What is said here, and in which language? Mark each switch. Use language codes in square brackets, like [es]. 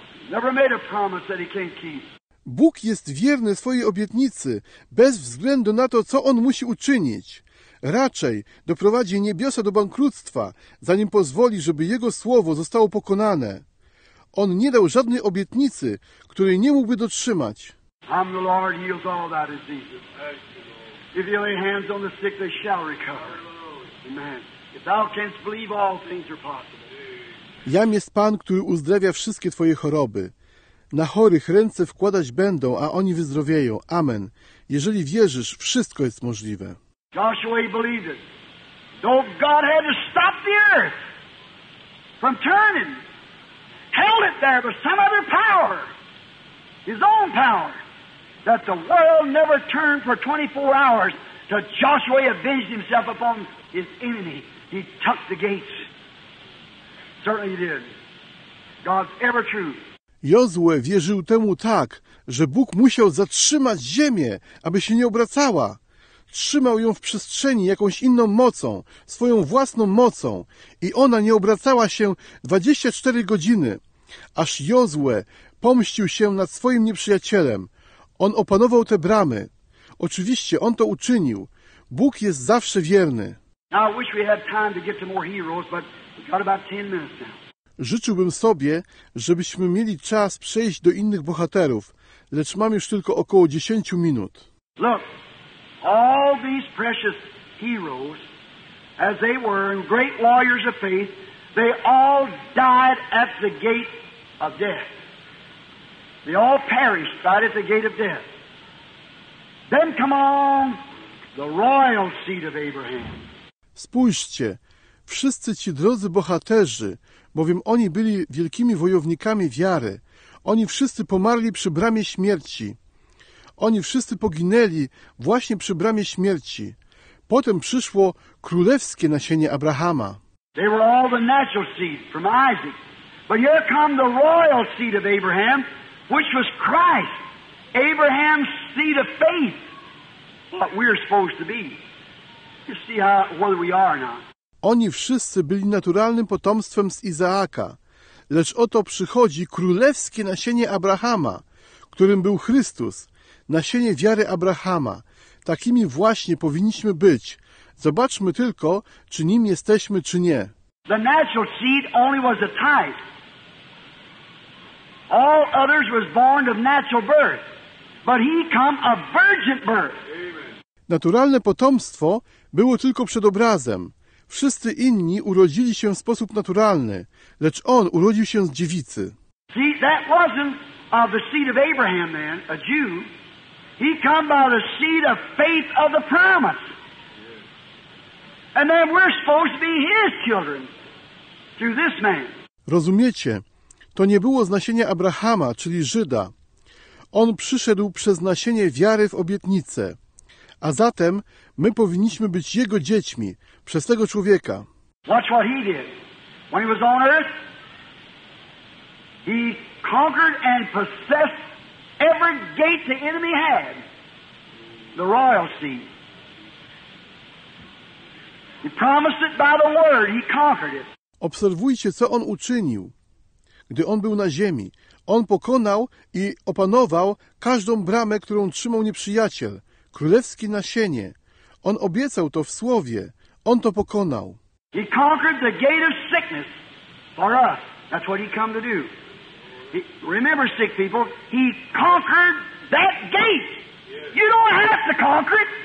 [en] Never made a promise that he can't keep. [pl] Bóg jest wierny swojej obietnicy, bez względu na to, co on musi uczynić. Raczej doprowadzi niebiosa do bankructwa, zanim pozwoli, żeby jego słowo zostało pokonane. On nie dał żadnej obietnicy, której nie mógłby dotrzymać. [en] I'm the Lord, heals all thy diseases. If you lay hands on the sick, they shall recover. Amen. If thou canst believe, all things are possible. [pl] Jam jest Pan, który uzdrawia wszystkie twoje choroby. Na chorych ręce wkładać będą, a oni wyzdrowieją. Amen. Jeżeli wierzysz, wszystko jest możliwe. [en] Joshua believed it. Though God had to stop the earth from turning, held it there by some other power, his own power, that the world never turned for 24 hours till Joshua avenged himself upon his enemy. He took the gates. Certainly he did. God's ever true. [pl] Jozue wierzył temu tak, że Bóg musiał zatrzymać ziemię, aby się nie obracała. Trzymał ją w przestrzeni jakąś inną mocą, swoją własną mocą i ona nie obracała się 24 godziny, aż Jozue pomścił się nad swoim nieprzyjacielem. On opanował te bramy. Oczywiście on to uczynił. Bóg jest zawsze wierny. [en] Now I wish we had time to get to more heroes, but we've got about 10 minutes now. [pl] Życzyłbym sobie, żebyśmy mieli czas przejść do innych bohaterów, lecz mam już tylko około 10 minut. [en] Look, all these precious heroes, as they were, and great warriors of faith, They all died at the gate of death. They all perished right at the gate of death. Then come on the royal seed of Abraham. [pl] Spójrzcie, wszyscy ci drodzy bohaterzy, bowiem oni byli wielkimi wojownikami wiary. Oni wszyscy pomarli przy bramie śmierci. Oni wszyscy poginęli właśnie przy bramie śmierci. Potem przyszło królewskie nasienie Abrahama. [en] They were all the natural seed from Isaac. But here come the royal seed of Abraham, which was Christ. Abraham's seed of faith. What we're supposed to be. You see how, whether we are or not. [pl] Oni wszyscy byli naturalnym potomstwem z Izaaka. Lecz oto przychodzi królewskie nasienie Abrahama, którym był Chrystus, nasienie wiary Abrahama. Takimi właśnie powinniśmy być. Zobaczmy tylko, czy nim jesteśmy, czy nie. [en] The natural seed only was a type. All others was born of natural birth. But he come of virgin birth. [pl] Naturalne potomstwo było tylko przedobrazem. Wszyscy inni urodzili się w sposób naturalny, lecz on urodził się z dziewicy. [en] See, that wasn't of the seed of Abraham then, a Jew. He come by the seed of faith of the promise. And then we're supposed to be his children through this man. [pl] Rozumiecie? To nie było z nasienia Abrahama, czyli Żyda. On przyszedł przez nasienie wiary w obietnicę. A zatem my powinniśmy być jego dziećmi przez tego człowieka. [en] Watch what he did. When he was on earth, he conquered and possessed every gate the enemy had, the royal seed. He promised it by the word, he conquered it. [pl] Obserwujcie, co on uczynił, gdy on był na ziemi. On pokonał i opanował każdą bramę, którą trzymał nieprzyjaciel. Królewskie nasienie. On obiecał to w słowie. On to pokonał. [en] He conquered the gate of sickness for us. That's what he came to do. He, remember, sick people, he conquered that gate. You don't have to conquer it.